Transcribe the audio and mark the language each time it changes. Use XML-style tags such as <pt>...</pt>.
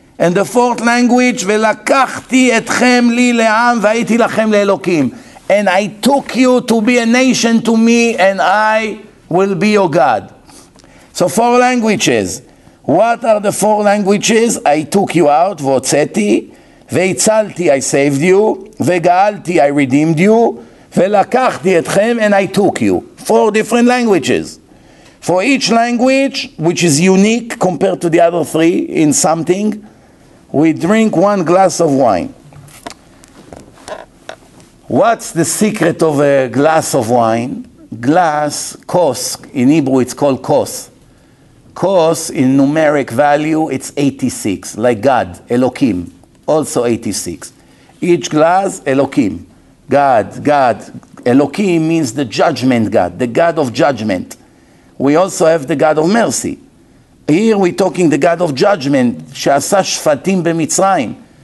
<en>And the 4th language,</en> <he>ולקחתי אתכם לי לעם והייתי לכם לאלוקים.</he> <en>And I took you to be a nation to me, and I will be your God. So 4 languages. What are the 4 languages? I took you out,</en> <he>והוצאתי, והצלתי,</he> <en>I saved you,</en> <he>וגאלתי,</he> <en>I redeemed you,</en> <he>ולקחתי אתכם,</he> <en>and I took you. 4 different languages. For each language, which is unique compared to the other 3 in something, we drink 1 glass of wine. What's the secret of a glass of wine? Glass, kos, in Hebrew it's called kos. Kos, in numeric value, it's 86, like God, Elohim, also 86. Each glass, Elohim, God, God. Elohim means the judgment God, the God of judgment. We also have the God of mercy. Here we're talking the God of judgment,</en> <he>שעשה שפטים במצרים.</he>